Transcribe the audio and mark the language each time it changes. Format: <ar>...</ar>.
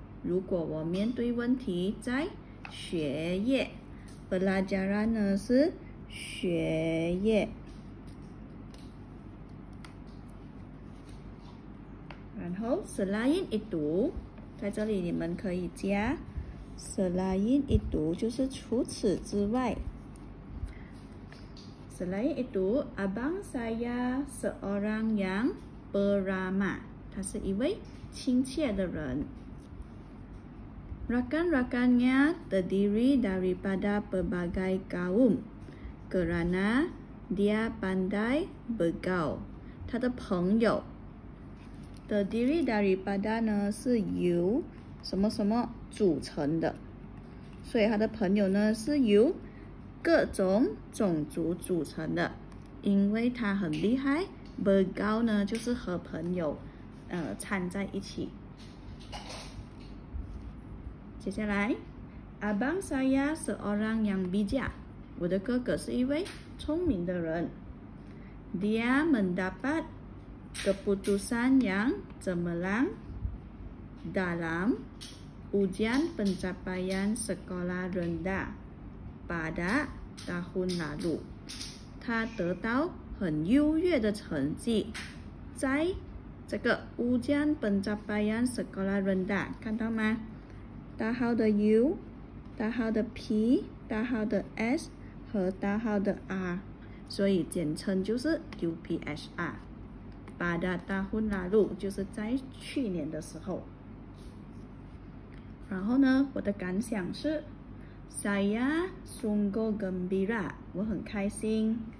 <zh>如果我面对问题在学业 ，belajaran 呢是学业。然后</zh> <ms>selain itu，</ms> <zh>在这里你们可以加 selain itu， 就是除此之外。</zh> <ms>selain itu， abang saya seorang yang beramah，</ms> <zh>他是一位亲切的人。</zh> <ms>Rakan-rakannya terdiri daripada berbagai kaum kerana dia pandai bergaul.</ms> <zh>他的朋友</zh> <ms>terdiri daripada</ms> <zh>呢是由什么什么组成的，所以他的朋友呢是由各种种族组成的。因为他很厉害， bergaul 呢就是和朋友掺在一起。接下来</zh> <ms>，Abang saya seorang yang bijak，</ms> <zh>我的哥哥是一位聪明的人。</zh> <ms>Dia mendapat keputusan yang cemerlang dalam ujian pencapaian sekolah rendah pada tahun lalu，</ms> <zh>他得到很优越的成绩，在这个</zh> <ms>ujian pencapaian sekolah rendah，</ms> <zh>看到吗？大号的 U， 大号的 P， 大号的 S 和大号的 R， 所以简称就是 UPHR。</zh> <ms>Pada tahun lalu</ms> <zh>就是在去年的时候。然后呢，我的感想是 ，</zh> <ms>Saya sungguh gembira，</ms> <zh>我很开心。</zh>